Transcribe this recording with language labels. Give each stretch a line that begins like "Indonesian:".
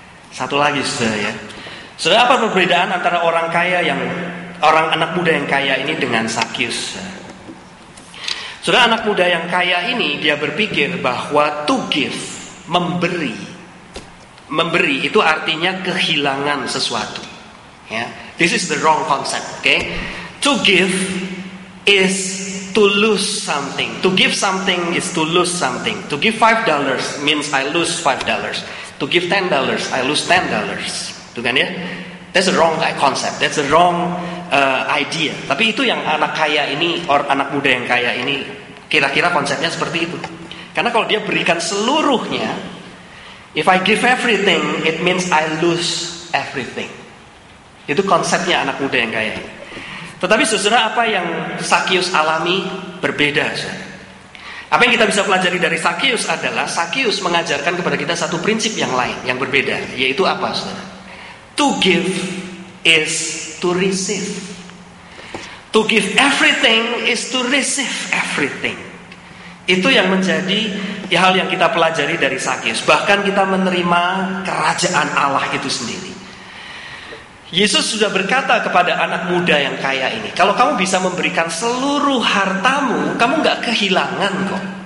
Indonesian: Satu lagi saudara ya. Saudara, apa perbedaan antara orang kaya yang, orang anak muda yang kaya ini dengan Sakius? Saudara, anak muda yang kaya ini dia berpikir bahwa
English: to give,
Indonesian: memberi. Memberi itu artinya kehilangan sesuatu. Ya.
English: This is the wrong concept, okay? To give is to lose something. To give something is to lose something. To give $5 means I lose $5. To give $10, I lose $10.
Indonesian: Itu kan ya?
English: That's the wrong concept. That's the wrong idea.
Indonesian: Tapi itu yang anak kaya ini, or anak muda yang kaya ini, kira-kira konsepnya seperti itu. Karena kalau dia berikan seluruhnya,
English: if I give everything, it means I lose everything.
Indonesian: Itu konsepnya anak muda yang kaya. Tetapi saudara, apa yang Sakius alami berbeda. Apa yang kita bisa pelajari dari Sakius adalah Sakius mengajarkan kepada kita satu prinsip yang lain, yang berbeda. Yaitu apa saudara?
English: To give is to receive. To give everything is to receive everything.
Indonesian: Itu yang menjadi hal yang kita pelajari dari Sakius. Bahkan kita menerima kerajaan Allah itu sendiri. Yesus sudah berkata kepada anak muda yang kaya ini, kalau kamu bisa memberikan seluruh hartamu, kamu gak kehilangan kok.